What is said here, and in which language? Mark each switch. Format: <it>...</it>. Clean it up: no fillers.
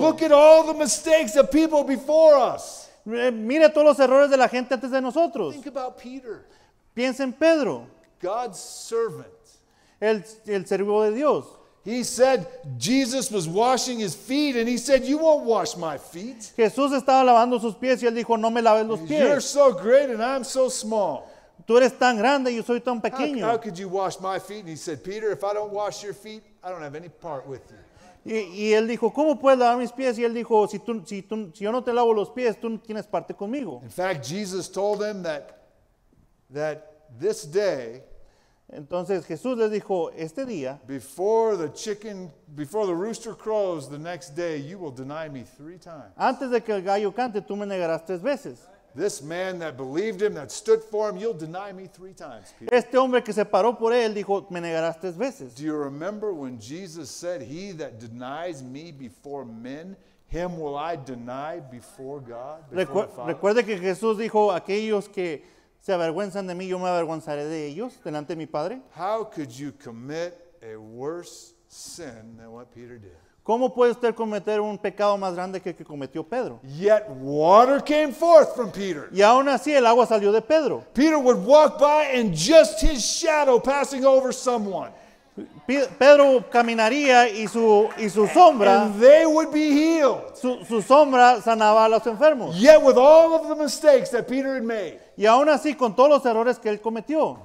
<en>Look at all the mistakes of people before us.</en> <es>Mire todos los errores de la gente antes de nosotros.</es> <en>Think about Peter.</en> <es>Piensa en Pedro.</es> <en>God's servant.</en> <es>El servo de Dios.</es> <en>He said Jesus was washing his feet and he said, you won't wash my feet.</en> <es>Jesús estaba lavando sus pies y él dijo, no me laves los pies.</es> <en>You're so great and I'm so small.</en> <es>Tú eres tan grande y yo soy tan pequeño.</es> <en>How could you wash my feet? And he said, Peter, if I don't wash your feet, I don't have any part with you.</en> <es>Y él dijo, ¿cómo puedes lavar mis pies? Y él dijo, si yo no te lavo los pies, tú no tienes parte conmigo.</es> <en>In fact, Jesus told them that this day,</en> <es>entonces Jesús les dijo, este día,</es> <en>before the rooster crows the next day, you will deny me 3 times.</en> <es>Antes de que el gallo cante, tú me negarás 3 veces.</es> <en>This man that believed him, that stood for him, you'll deny me 3 times, Peter.</en> <es>Este hombre que se paró por él dijo, me negarás 3 veces.</es> <en>Do you remember when Jesus said, he that denies me before men, him will I deny before God, before the Father?</en> <es>Recuerde que Jesús dijo, aquellos que se avergüenzan de mí, yo me avergonzaré de ellos delante de mi Padre.</es> <en>How could you commit a worse sin than what Peter did?</en> <es>¿Cómo puede usted cometer un pecado más grande que el que cometió Pedro?</es> <en>Yet water came forth from Peter.</en> <es>Y aún así el agua salió de Pedro.</es> <en>Peter would walk by and just his shadow passing over someone.</en> <es>Pedro caminaría y su sombra.</es> <en>And they would be healed.</en> <es>Su sombra sanaba a los enfermos.</es> <en>Yet with all of the mistakes that Peter had made.</en> <es>Y aún así con todos los errores que él cometió.</es>